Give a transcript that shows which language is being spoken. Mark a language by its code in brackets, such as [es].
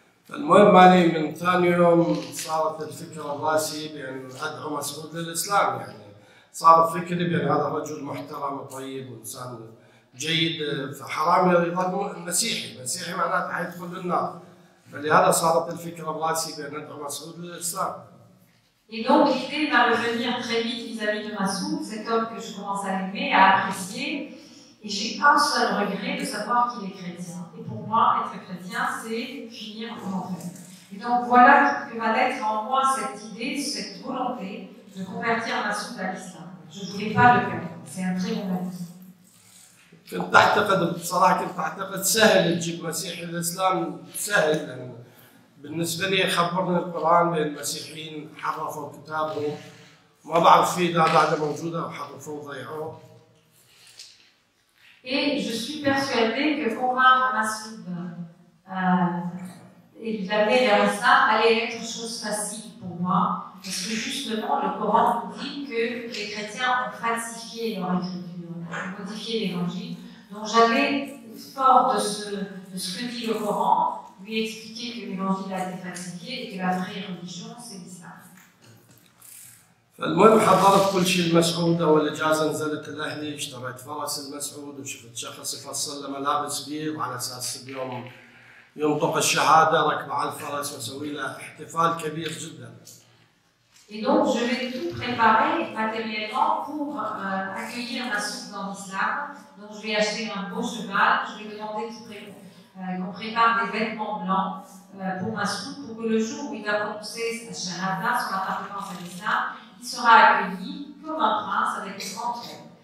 [ar] المهم علي من ثاني يوم صارت الفكرة براسي بأن أدعو مسعود للإسلام، يعني صار فكري بأن هذا رجل محترم وطيب وإنسان جيد، فحرام يظل مسيحي، مسيحي معناته حيدخل للنار. فلهذا صارت الفكرة براسي بأن ندعو مسعود للإسلام. [fr] Et donc l'idée va revenir très vite vis-à-vis de Massoud, cet homme que je commence à aimer, à apprécier, et j'ai un seul regret de savoir qu'il est chrétien. Et pour moi, être chrétien, c'est finir en enfer. Et donc voilà que va naître en moi cette idée, cette volonté de convertir Massoud à l'islam. Je ne voulais pas le faire, c'est un très bon avis. [ar] كنت اعتقد بصراحه كنت اعتقد سهل تجيب مسيح الاسلام، سهل لان بالنسبه لي خبرني القران بان المسيحيين حرفوا كتابه، ما بعرف في اذا بعده موجوده او حرفوه وضيعوه. [fr] Et je suis persuadée que convaincre Massoud et l'amener vers l'islam allait être chose facile pour moi, parce que justement le Coran dit que les chrétiens ont falsifié leur écriture, ont modifié l'évangile. Donc j'allais, fort de ce que dit le Coran, lui expliquer que l'évangile a été falsifié et que la vraie religion, c'est l'islam. [ar] المهم حضرت كل شيء لمسعود، اول اجازه نزلت لاهلي اشتريت فرس المسعود، وشفت شخص يفصل له ملابس بيض على اساس بيوم ينطق الشهاده ركب على الفرس واسوي له احتفال كبير جدا. [fr] Et donc je vais tout préparer matériellement pour accueillir Massoud dans l'islam. Donc je vais acheter un beau cheval, je vais demander qu'on prépare des vêtements blancs pour Massoud, pour que le jour où il va prononcer sa shahada, son appartement à l'islam, il sera accueilli comme un prince avec une grande tête.